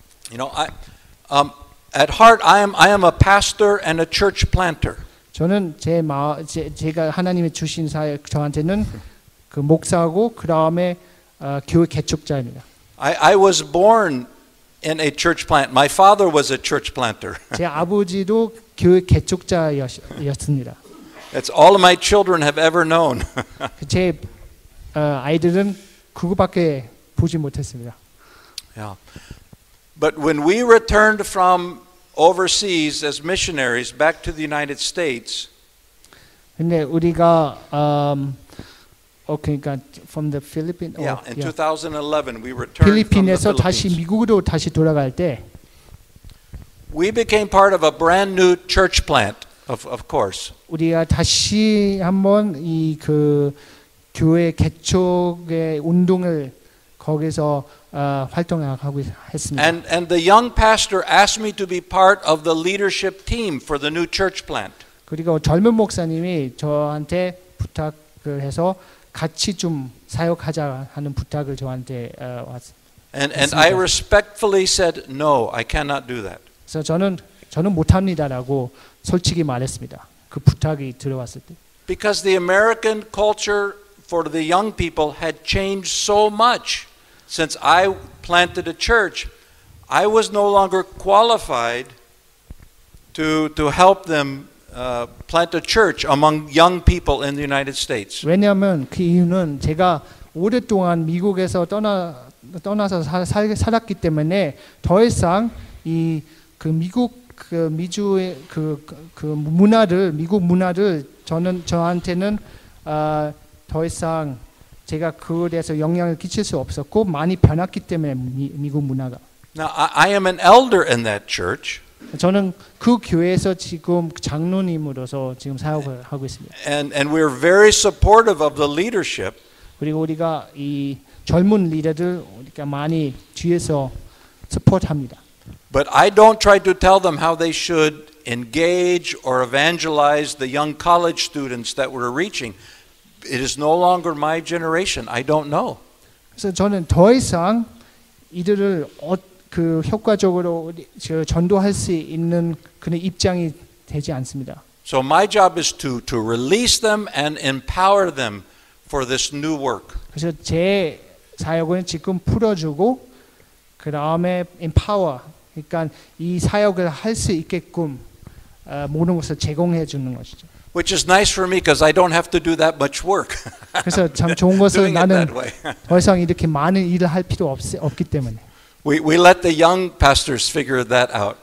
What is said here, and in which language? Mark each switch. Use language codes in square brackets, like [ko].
[en] You know, at heart I am a pastor and a church planter. [ko] 저는 제가 하나님이 주신 사역 저한테는 그 목사하고 그다음에 교회 개척자입니다. [en] I was born in a church plant. My father was a church planter. [ko] 제 아버지도 교회 개척자였습니다. [en] That's all my children have ever known. [ko] 제 아이들은 그거밖에 보지 못했습니다. [en] Yeah. But when we returned from overseas as missionaries back to the United States, [ko] 근데 우리가 그러니까 [en] from the Philippines. Yeah, in 2011 we returned. [ko] 필리핀에서 다시 미국으로 다시 돌아갈 때, [en] we became part of a brand new church plant. Of course. [ko] 우리가 다시 한번 이 그 교회 개척의 운동을 거기서 활동하고 했습니다. [en] And the young pastor asked me to be part of the leadership team for the new church plant. [ko] 그리고 젊은 목사님이 저한테 부탁을 해서 같이 좀 사역하자 하는 부탁을 저한테 왔습니다. [en] And I respectfully said no, I cannot do that. [ko] 그래서 저는 못합니다라고 솔직히 말했습니다. 그 부탁이 들어왔을 때. [en] Because the American culture for the young people had changed so much since I planted a church, I was no longer qualified to help them plant a church among young people in the United States. [ko] 왜냐하면 그 이유는 제가 오랫동안 미국에서 떠나서 살았기 때문에 더 이상 이 그 미국 그 미주의 그 문화를 미국 문화를 저한테는 더 이상 제가 그에서 영향을 끼칠 수 없었고 많이 변했기 때문에 미국 문화가. [en] Now I am an elder in that church. [ko] 저는 그 교회에서 지금 장로님으로서 지금 사역을 하고 있습니다. [en] And we're very supportive of the leadership. [ko] 그리고 우리가 이 젊은 리더들 우리가 많이 뒤에서 support합니다. [en] But I don't try to tell them how they should engage or evangelize the young college students that we're reaching. It is no longer my generation. I don't know. [ko] 그래서 저는 더 이상 이들을 그 효과적으로 전도할 수 있는 그런 입장이 되지 않습니다. [en] So my job is to release them and empower them for this new work. [ko] 그래서 제 사역은 지금 풀어주고 그다음에 empower 그러니까 이 사역을 할 수 있게끔 모든 것을 제공해 주는 것이죠. [en] Which is nice for me because I don't have to do that much work. [ko] 그래서 참 좋은 것은 나는 더 이상 이렇게 많은 일을 할 필요 없기 때문에. [en] We let the young pastors figure that out.